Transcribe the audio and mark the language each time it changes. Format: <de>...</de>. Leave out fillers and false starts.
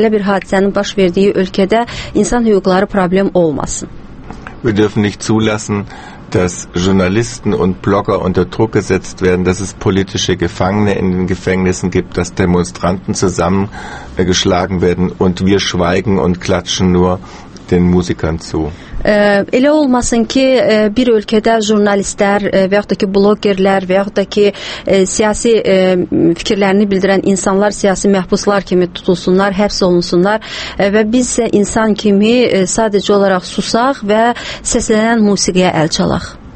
<az>Belə bir hadisənin baş verdiyi ölkədə insan hüquqları problem olmasın.</az> <de>Wir dürfen nicht zulassen, dass Journalisten und Blogger unter Druck gesetzt werden, dass es politische Gefangene in den Gefängnissen gibt, dass Demonstranten zusammengeschlagen werden und wir schweigen und klatschen nur den Musikern zu.</de> <az>Elə olmasın ki, bir ölkədə jurnalistlər və yaxud da ki, bloggerlər və yaxud da ki, siyasi fikirlərini bildirən insanlar siyasi məhbuslar kimi tutulsunlar, həbs olunsunlar və biz isə insan kimi sadəcə olaraq susaq və səslənən musiqiyə əl çalaq.</az>